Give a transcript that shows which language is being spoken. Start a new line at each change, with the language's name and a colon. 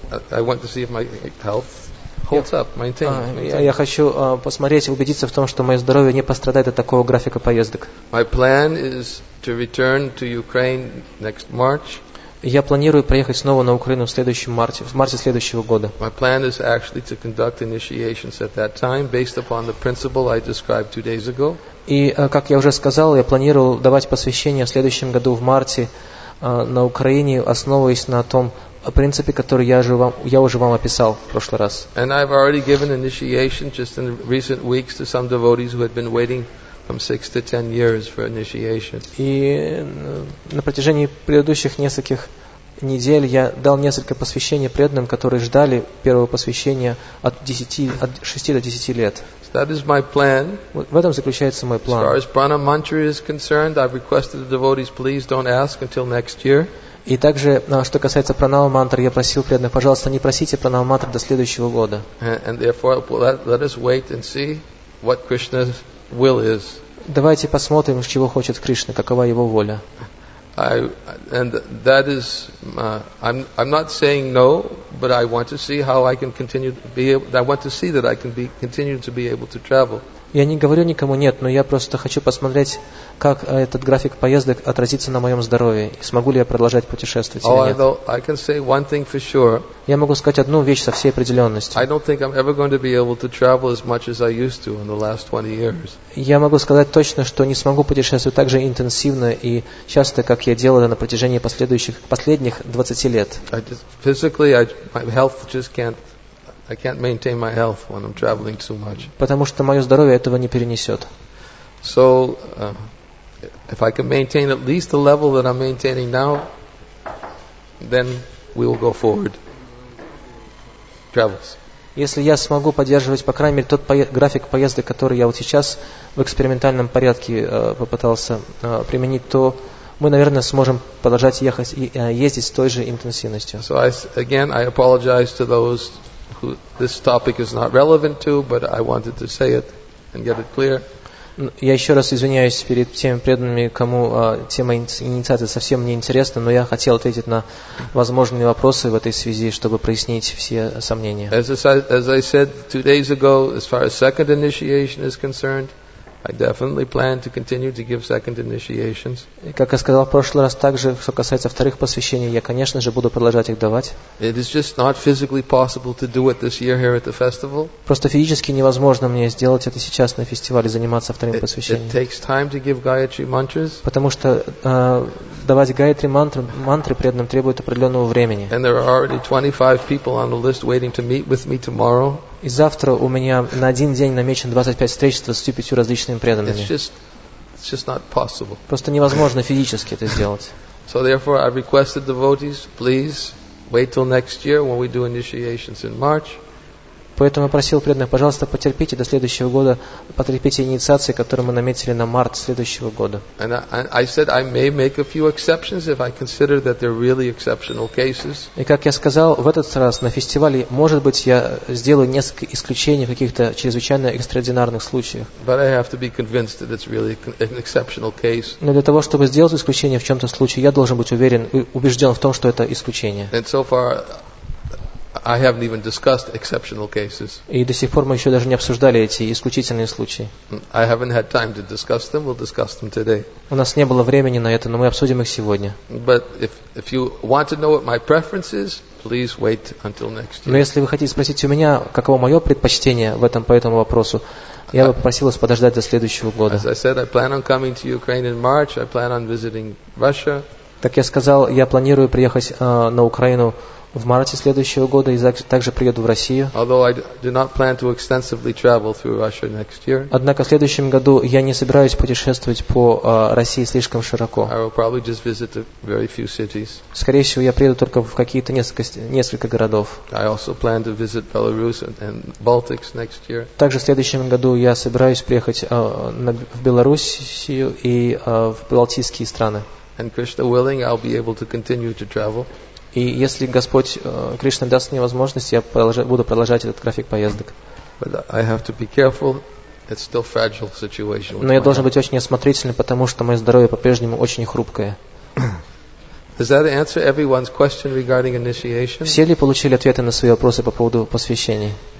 English: I want to see if my health holds up, maintain.
Russian: Я хочу посмотреть, убедиться в том, что мое здоровье не пострадает от такого графика поездок.
English: My plan is to return to Ukraine next March.
Russian: Я планирую приехать снова на Украину в следующем марте, в марте следующего года.
English: My plan is actually to conduct initiations at that time based upon the principle I described 2 days ago.
Russian: И, как я уже сказал, я планировал давать посвящение в следующем году в марте на Украине основываясь на том принципе, который я уже вам описал в прошлый раз.
English: And I've already given initiation just in recent weeks to some devotees who had been waiting from 6 to 10 years for initiation.
Russian: И на протяжении предыдущих нескольких недель я дал несколько посвящений преданным, которые ждали первого посвящения от 6 до 10 лет.
English: That is my plan.
Russian: В этом заключается мой план.
English: As far as prana mantra is concerned, I've requested the devotees, please don't ask until next year.
Russian: И также, что касается пранава мантры, я просил преданных, пожалуйста, не просите пранава мантры до следующего года.
English: And therefore, let us wait and see what Krishna's will is.
Russian: Давайте посмотрим, чего хочет Кришна, какова его воля.
English: I'm not saying no, but I want to see how I can continue to be able, I want to see that I can be continue to be able to travel.
Russian: Я не говорю никому нет, но я просто хочу посмотреть, как этот график поездок отразится на моем здоровье, и смогу ли я продолжать путешествовать или нет.
English: Although I can say one thing for sure.
Russian: Я могу сказать одну вещь со всей определенностью.
English: I don't think I'm ever going to be able to travel as much as I used to in the last 20 years.
Russian: Я могу сказать точно, что не смогу путешествовать так же интенсивно и часто, как я делал на протяжении последних 20 лет.
English: I just, physically, my health just can't. I can't maintain my health when I'm traveling too much.
Russian: Потому что мое здоровье этого не перенесет.
English: So, if I can maintain at least the level that I'm maintaining now, then we will go forward. Travels.
Russian: Если я смогу поддерживать, по крайней мере, тот график поездок, который я вот сейчас в экспериментальном порядке попытался применить, то мы, наверное, сможем продолжать ездить с той же интенсивностью.
English: So, I apologize to those who this topic is not relevant to, but I wanted to say it and get it clear.
Russian: Я еще раз извиняюсь перед теми преданными, кому тема инициации совсем не интересна, но я хотел ответить на возможные вопросы в этой связи, чтобы прояснить все сомнения.
English: As I said 2 days ago, as far as second initiation is concerned, I definitely plan to continue to give second initiations.
Russian: Как я сказал в прошлый раз, также, что касается вторых посвящений, я, конечно же, буду продолжать их давать.
English: It is just not physically possible to do it this year here at the festival.
Russian: Просто физически невозможно мне сделать это сейчас на фестивале, заниматься вторым посвящением.
English: It takes time to give Gayatri mantras.
Russian: Потому что давать Гаятри мантры преданным требует определенного времени.
English: And there are already 25 people on the list waiting to meet with me tomorrow.
Russian: И завтра у меня на один день намечен 25 встреч с 25 различными преданными.
English: It's just not possible.
Russian: Просто невозможно физически это сделать.
English: So therefore I requested devotees, please wait till next year when we do initiations in March.
Russian: Поэтому я просил преданных, пожалуйста, потерпите до следующего года, потерпите инициации, которые мы наметили на март следующего года.
English: And I said I may make a few exceptions if I consider that they're really exceptional cases.
Russian: И как я сказал, в этот раз на фестивале, может быть, я сделаю несколько исключений в каких-то чрезвычайно экстраординарных случаях.
English: But I have to be convinced that it's really an exceptional case.
Russian: Но для того, чтобы сделать исключение в чем-то случае, я должен быть уверен, убежден в том, что это исключение.
English: And so far, I haven't even discussed exceptional cases.
Russian: И до сих пор мы еще даже не обсуждали эти исключительные случаи.
English: I haven't had time to discuss them. We'll discuss them today.
Russian: У нас не было времени на это, но мы обсудим их сегодня.
English: But if you want to know what my preference is, please wait until next year.
Russian: Но если вы хотите спросить у меня, каково мое предпочтение в этом по этому вопросу, я бы попросил вас подождать до следующего года.
English: As I said, I plan on coming to Ukraine in March. I plan on visiting Russia.
Russian: Так я сказал, я планирую приехать на Украину в марте следующего года и также приеду в Россию.
English: Although I do not plan to extensively travel through Russia next year.
Russian: Однако в следующем году я не собираюсь путешествовать по России слишком широко.
English: I will probably just visit a very few cities.
Russian: Скорее всего, я приеду только в какие-то несколько городов.
English: I also plan to visit Belarus and Baltics next year.
Russian: Также в следующем году я собираюсь приехать в Белоруссию и в Балтийские страны.
English: And Krishna willing, I'll be able to continue to travel.
Russian: И если Господь Кришна даст мне возможность, я буду продолжать этот график поездок.
English: But I have to be careful. It's still fragile situation.
Russian: Но я должен быть очень осмотрительным, потому что мое здоровье по-прежнему очень хрупкое.
English: Does that answer everyone's question regarding initiation?
Russian: Все ли получили ответы на свои вопросы по поводу посвящения?